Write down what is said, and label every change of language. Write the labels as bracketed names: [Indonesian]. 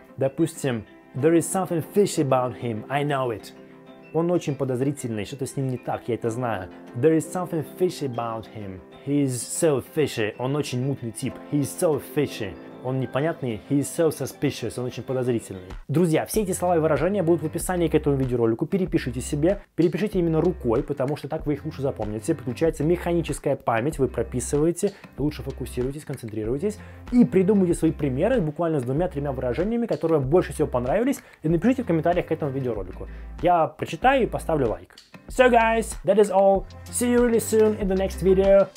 [Russian] Допустим, [English] there is something fishy about him, I know it. [Russian] Он очень подозрительный, что-то с ним не так, я это знаю. [English] There is something fishy about him, he's so fishy, [Russian] он очень мутный тип, [English] he's so fishy. [Russian] Он непонятный, [English] he is so suspicious, [Russian] он очень подозрительный. Друзья, все эти слова и выражения будут в описании к этому видеоролику. Перепишите себе, перепишите именно рукой, потому что так вы их лучше запомните. Подключается механическая память, вы прописываете, лучше фокусируйтесь, концентрируйтесь. И придумайте свои примеры буквально с 2-3 выражениями, которые больше всего понравились. И напишите в комментариях к этому видеоролику. Я прочитаю и поставлю лайк. [English] So guys, that is all. See you really soon in the next video.